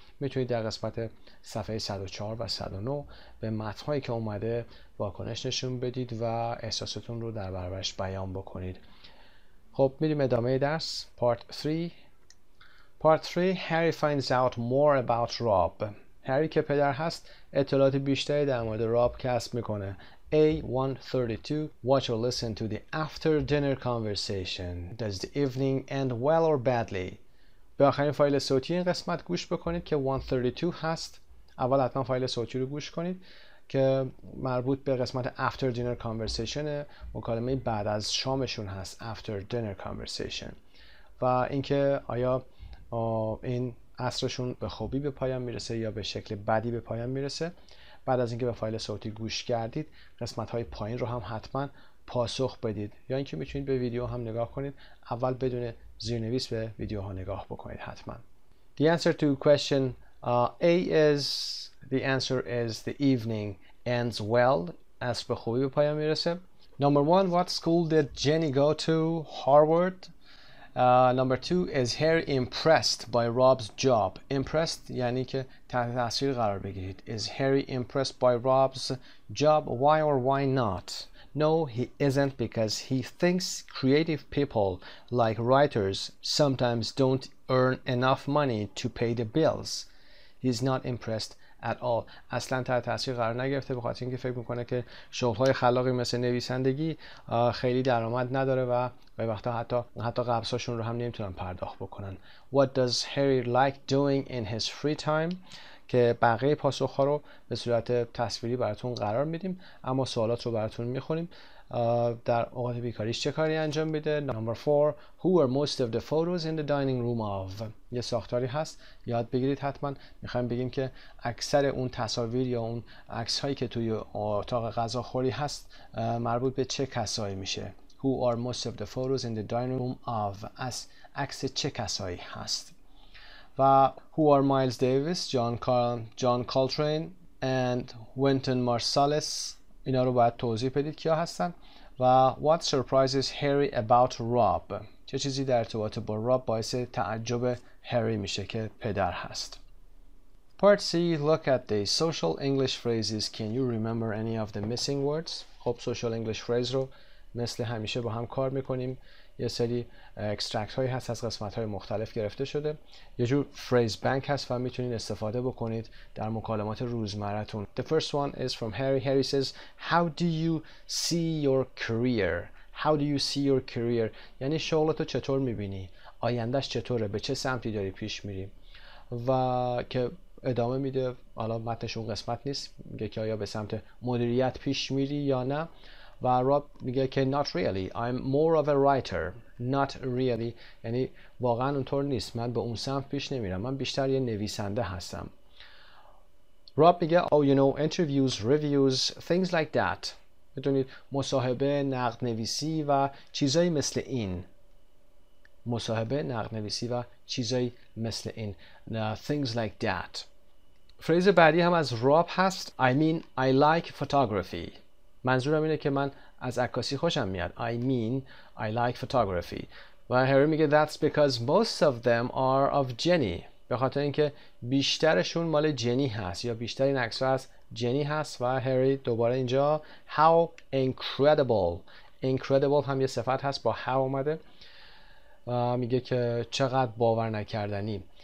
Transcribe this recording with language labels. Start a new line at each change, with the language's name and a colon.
Persian: میتونید در قسمت صفحه 104 و 109 به متنهایی که اومده واکنش نشون بدید و احساستون رو در برابرش بیان بکنید. خب میریم ادامه درس.
English: Part 3. Harry finds out more about Rob.
Persian: هری که پدر هست اطلاعات بیشتری در مورد راب کسب میکنه.
English: A132. Watch or listen to the after dinner conversation. Does the evening end well or badly?
Persian: به آخرین فایل صوتی این قسمت گوش بکنید که 132 هست. اول حتما فایل صوتی رو گوش کنید که مربوط به قسمت After Dinner Conversation، مکالمه بعد از شامشون هست، After Dinner Conversation، و اینکه آیا این عصرشون به خوبی به پایان میرسه یا به شکل بدی به پایان میرسه. بعد از اینکه به فایل صوتی گوش کردید، قسمت های پایین رو هم حتما پاسخ بدید، یا اینکه میتونید به ویدیو هم نگاه کنید، اول بدون زیرنویس به ویدیو ها نگاه بکنید حتما.
English: The answer to question A is, the answer is the evening ends well.
Persian: عصر به خوبی به پایان میرسه.
English: Number one, what school did Jenny go to? Harvard. Number two, is Harry impressed by Rob's job?
Persian: Impressed یعنی که تحت تاثیر قرار بگیرید.
English: Is Harry impressed by Rob's job? Why or why not? No, he isn't, because he thinks creative people like writers sometimes don't earn enough money to pay the bills. He's not impressed at all.
Persian: اصلا تحت تاثیر قرار نگرفته به خاطر اینکه فکر میکنه که شغل‌های خلاقی مثل نویسندگی خیلی درآمد نداره و به وقتا حتی قبضاشون رو هم نمیتونن پرداخت بکنن.
English: What does Harry like doing in his free time؟
Persian: که بقیه پاسخ‌ها رو به صورت تصویری براتون قرار میدیم، اما سوالات رو براتون میخونیم. در اوقات بیکاریش چه کاری انجام میده؟
English: Number 4, who are most of the photos in the dining room of؟
Persian: یه ساختاری هست، یاد بگیرید حتما. میخوایم بگیم که اکثر اون تصاویر یا اون عکس‌هایی که توی اتاق غذاخوری هست مربوط به چه کسایی میشه؟
English: Who are most of the photos in the dining room of؟
Persian: از عکس چه کسایی هست؟ و
English: Who are Miles Davis, John Coltrane and Wynton Marsalis؟
Persian: اینا رو باید توضیح بدید کیا هستن. و
English: What surprises Harry about Rob؟
Persian: چه چیزی در ارتباط با Rob باعث تعجب هری میشه که پدر هست.
English: Part C, look at the social English phrases. Can you remember any of the missing words؟ خب social English phrase
Persian: رو مثل همیشه با هم کار میکنیم. یه سری اکسترکت هایی هست از قسمت های مختلف گرفته شده، یه جور فریز بانک هست و میتونید استفاده بکنید در مکالمات روزمرتون.
English: The first one is from Harry. Harry says, how do you see your career? How do you see your career؟
Persian: یعنی شغلتو چطور میبینی؟ آیندهش چطوره؟ به چه سمتی داری پیش میری؟ و که ادامه میده، حالا متنش اون قسمت نیست، میگه که آیا به سمت مدیریت پیش میری یا نه. و راب میگه که
English: not really, I'm more of a writer.
Persian: Not really یعنی واقعا اونطور نیست، من به اون سمت پیش نمیرم، من بیشتر یه نویسنده هستم. راب میگه
English: oh you know, interviews, reviews, things like that.
Persian: میدونید مصاحبه، نقد نویسی و چیزایی مثل این. مصاحبه، نقد نویسی و چیزایی مثل این.
English: Things like that.
Persian: فریز بعدی هم از راب هست.
English: I mean, I like photography.
Persian: منظورم اینه که من از عکاسی خوشم میاد.
English: I mean, I like photography.
Persian: و هری میگه
English: that's because most of them are of Jenny.
Persian: به خاطر اینکه بیشترشون مال جنی هست، یا بیشتر این عکس‌ها از جنی هست. و هری دوباره اینجا
English: how incredible.
Persian: Incredible هم یه صفت هست با how اومده. و میگه که چقدر باور نکردنی.